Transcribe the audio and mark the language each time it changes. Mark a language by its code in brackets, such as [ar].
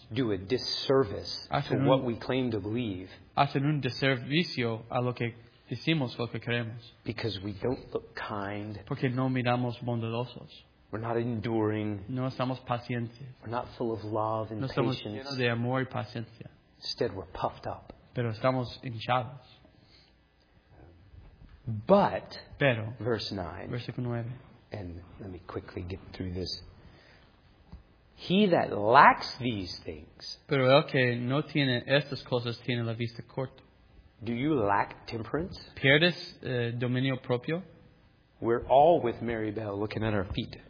[en] do a disservice to what we claim to believe. [es] Hacen un deservicio a lo que decimos, lo que creemos. [en] Because we don't look kind. [es] Porque no miramos bondadosos. [en] We're not enduring. [es] No estamos pacientes. [en] We're not full of love and patience. [es] No estamos llenos de amor y paciencia. [en] Instead, we're puffed up. [es] Pero estamos hinchados. [en] But, [es] pero, [en] verse 9. [es] Versículo 9. [en] And let me quickly get through this. He that lacks these things. [es] Pero el que no tiene estas cosas tiene la vista corta. [en] Do you lack temperance? [es] ¿Pierdes dominio propio? [en] We're all with Mary Bell looking at our feet.